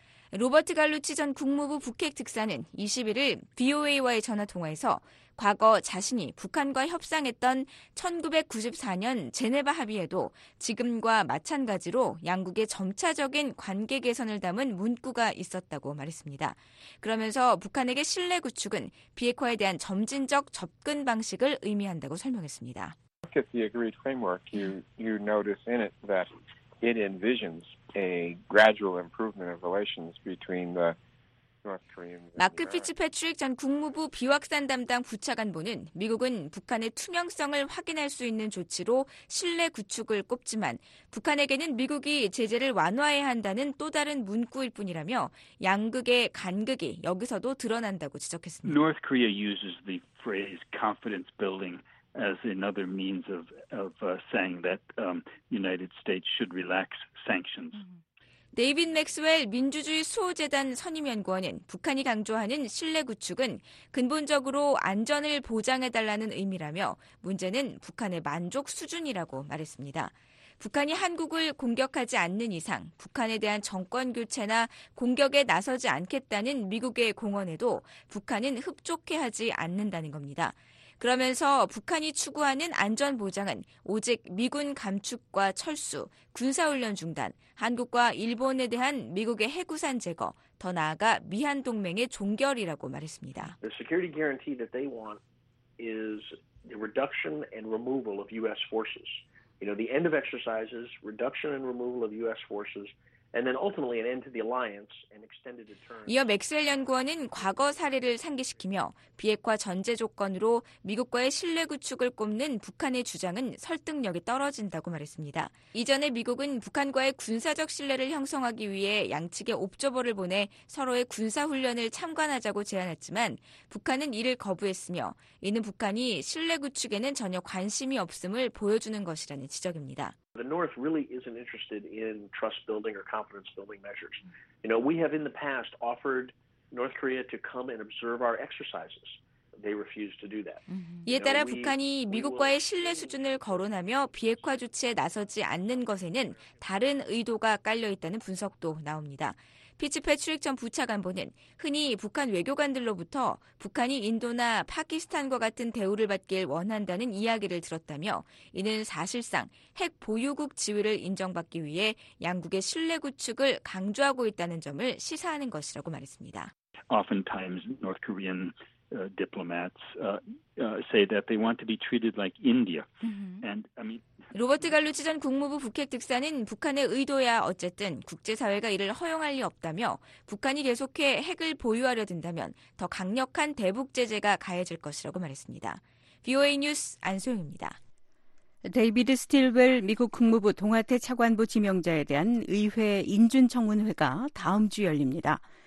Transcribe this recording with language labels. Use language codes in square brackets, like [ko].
[ko] 로버트 갈루치 전 국무부 북핵 특사는 21일 VOA와의 전화통화에서 과거 자신이 북한과 협상했던 1994년 제네바 합의에도 지금과 마찬가지로 양국의 점차적인 관계 개선을 담은 문구가 있었다고 말했습니다. 그러면서 북한에게 신뢰 구축은 비핵화에 대한 점진적 접근 방식을 의미한다고 설명했습니다. [en] Look at the agreed framework. You notice in it that it envisions a gradual improvement of relations between the [ko] 마크 피츠패트릭 전 국무부 비확산 담당 부차관보는 미국은 북한의 투명성을 확인할 수 있는 조치로 신뢰 구축을 꼽지만 북한에게는 미국이 제재를 완화해야 한다는 또 다른 문구일 뿐이라며 양극의 간극이 여기서도 드러난다고 지적했습니다. [en] North Korea uses the phrase confidence building as another means of saying that United States should relax sanctions. [ko] 데이빗 맥스웰 민주주의 수호재단 선임연구원은 북한이 강조하는 신뢰 구축은 근본적으로 안전을 보장해달라는 의미라며 문제는 북한의 만족 수준이라고 말했습니다. 북한이 한국을 공격하지 않는 이상 북한에 대한 정권 교체나 공격에 나서지 않겠다는 미국의 공언에도 북한은 흡족해하지 않는다는 겁니다. 그러면서 북한이 추구하는 안전보장은 오직 미군 감축과 철수, 군사훈련 중단, 한국과 일본에 대한 미국의 해구산 제거, 더 나아가 미한동맹의 종결이라고 말했습니다. [en] The security guarantee that they want is the reduction and removal of U.S. forces. You know, the end of exercises, reduction and removal of U.S. forces. And then ultimately an end to the alliance and extended deterrence. [ko] 이어 맥스웰 연구원은 과거 사례를 상기시키며 비핵화 전제 조건으로 미국과의 신뢰 구축을 꼽는 북한의 주장은 설득력이 떨어진다고 말했습니다. 이전에 미국은 북한과의 군사적 신뢰를 형성하기 위해 양측에 옵저버를 보내 서로의 군사 훈련을 참관하자고 제안했지만 북한은 이를 거부했으며 이는 북한이 신뢰 구축에는 전혀 관심이 없음을 보여주는 것이라는 지적입니다. [en] The North really isn't interested in trust building or confidence building measures. You know, we have in the past offered North Korea to come and observe our exercises. They refused to do that. [ko] 이에 따라 북한이 미국과의 신뢰 수준을 거론하며 비핵화 조치에 나서지 않는 것에는 다른 의도가 깔려 있다는 분석도 나옵니다. 피츠패트릭 전 부차관보는 흔히 북한 외교관들로부터 북한이 인도나 파키스탄과 같은 대우를 받길 원한다는 이야기를 들었다며 이는 사실상 핵 보유국 지위를 인정받기 위해 양국의 신뢰 구축을 강조하고 있다는 점을 시사하는 것이라고 말했습니다. [en] Oftentimes North Korean diplomats say that they want to be treated like India. And I mean [ko] 로버트 갈루치 전 국무부 북핵 특사는 북한의 의도야 어쨌든 국제사회가 이를 허용할 리 없다며 북한이 계속해 핵을 보유하려 든다면 더 강력한 대북 제재가 가해질 것이라고 말했습니다. VOA 뉴스 안소영입니다. 데이비드 스틸웰 미국 국무부 동아태 차관보 지명자에 대한 의회 인준청문회가 다음 주 열립니다.